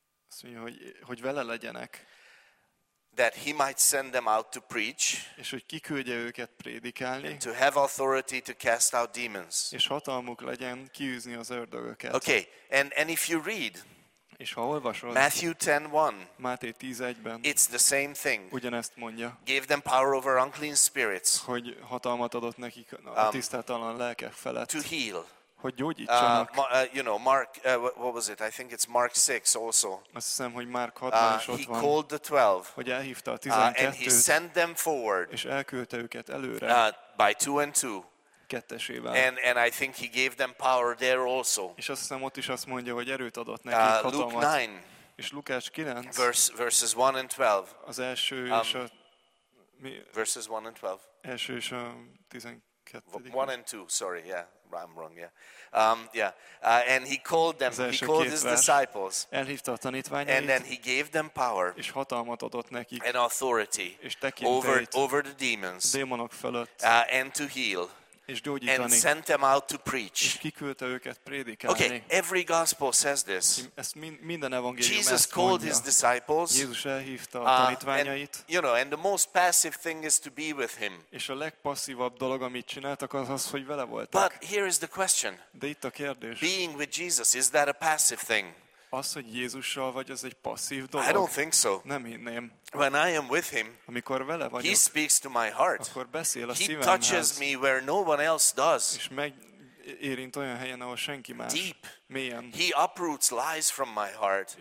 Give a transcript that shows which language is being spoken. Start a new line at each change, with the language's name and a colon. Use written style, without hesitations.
Hungarian: Azt mondja, hogy vele legyenek.
English: That he might send them out to preach.
Hungarian: És hogy kiküldje őket prédikálni.
English: To have authority to cast out demons.
Hungarian: És hatalmuk legyen kiűzni az ördögöket.
English: Okay, and if you read.
Hungarian: És ha olvasod,
English: Matthew 10:1.
Hungarian: Máté 10:1-ben.
English: It's the same thing.
Hungarian: Ugyanezt mondja.
English: Give them power over unclean spirits.
Hungarian: Hogy hatalmat adott nekik a tisztátalan lelkek felett.
English: To heal.
Hungarian: Hogy gyógyítsanak.
English: You know, Mark, what was it? I think it's Mark 6 also.
Hungarian: Azt hiszem, hogy Mark 6-ban is ott van.
English: He called the 12.
Hungarian: Hogy elhívta a 12-t.
English: And he sent them forward.
Hungarian: És elküldte őket előre.
English: By 2 and 2.
Hungarian: Kettesével.
English: And I think he gave them power there also.
Hungarian: És azt hiszem, ott is azt mondja, hogy erőt adott nekik hatalmat.
English: Luke 9.
Hungarian: És Lukács 9.
English: Verses 1 and 12.
Hungarian: Az első és a...
English: Verses 1 and 12.
Hungarian: Első és a 12.
English: 1 and 2, sorry, yeah. I'm wrong, yeah. And he called them, he called his disciples.
Hungarian: Elhívta a tanítványait.
English: And then he gave them power.
Hungarian: És hatalmat adott nekik.
English: And authority.
Hungarian: És tekintélyt.
English: Over the demons.
Hungarian: Démonok fölött.
English: And to heal.
Hungarian: És gyógyítani.
English: And sent them out to preach.
Hungarian: És kiküldte őket prédikálni.
English: Okay, every gospel says this.
Hungarian: Minden evangélium ezt mondja.
English: Jesus called his disciples.
Hungarian: Jézus elhívta a tanítványait.
English: You know, and the most passive thing is to be with him.
Hungarian: És a legpasszívabb dolog, amit csináltak, az, hogy vele voltak.
English: But here is the question.
Hungarian: De itt a kérdés.
English: Being with Jesus, is that a passive thing?
Hungarian: Az, hogy Jézussal vagy, az egy passzív dolog.
English: I don't think so.
Hungarian: Nem hinném.
English: When I am with him,
Hungarian: amikor vele vagyok,
English: he speaks to my heart.
Hungarian: Akkor beszél a
English: he
Hungarian: szívemhez.
English: Touches me where no one else does.
Hungarian: És megérint olyan helyen, ahol senki más.
English: Deep.
Hungarian: Mélyen.
English: He uproots lies from my heart.